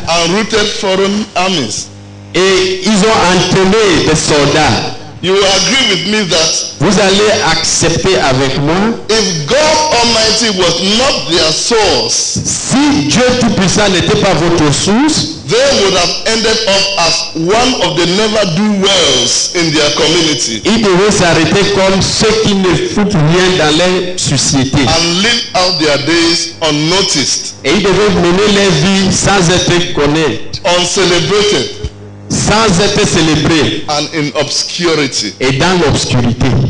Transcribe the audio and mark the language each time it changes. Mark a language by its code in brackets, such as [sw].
[en] and routed foreign armies, [fr] et ils ont entraîné des soldats. [en] You will agree with me that [fr] vous allez accepter avec moi, [en] if God Almighty was not their source, [fr] si Dieu Tout-Puissant n'était pas votre source, [en] they would have ended up as one of the never-do-wells in their community. [fr] Ils devaient s'arrêter comme ceux qui ne foutent rien dans leur société. [en] And live out their days unnoticed. [fr] Et ils devaient mener leur vie sans être connus. [en] Uncelebrated. [fr] Sans être célébré. [en] And in obscurity. [fr] Et dans l'obscurité.